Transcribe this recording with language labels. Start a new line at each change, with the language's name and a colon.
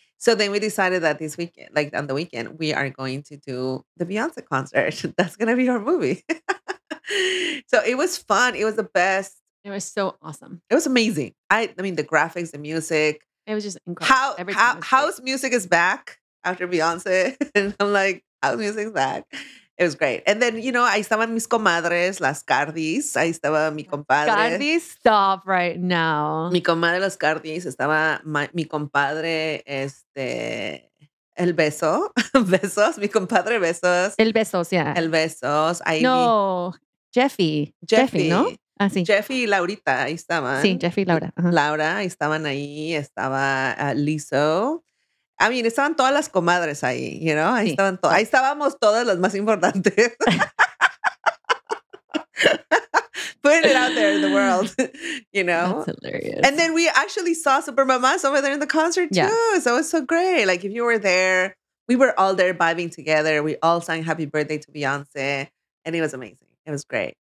English: So then we decided that this weekend, like on the weekend, we are going to do the Beyonce concert. That's going to be our movie. So it was fun. It was the best. It was so awesome. It was amazing. I mean, the graphics, the music. It was just incredible. House music is back after Beyonce. And I'm like, house music is back. It was great. And then, you know,
Spanish: ahí estaban mis comadres, las Cardis. Ahí estaba mi compadre.
English: Cardis, stop right now.
Spanish: Mi comadre, las Cardis. Estaba mi compadre, el beso. Besos. Mi compadre, besos. El besos, yeah. El besos. Ahí no, Jeffy, ¿no? Ah, sí. Jeffy y Laurita, ahí estaban. Sí, Jeffy y Laura. Uh-huh. Laura, ahí estaban ahí. Estaba Lizzo.
English: I mean,
Spanish: estaban todas las comadres ahí,
English: you know?
Spanish: Ahí, sí. Estaban ahí estábamos todas las más importantes.
English: Putting it out there in the world, you know? That's hilarious. And then we actually saw Super Mamás over there in the concert too. Yeah. So it was so great. Like, if you were there, we were all there vibing together. We all sang happy birthday to Beyonce. And it was amazing. It was great.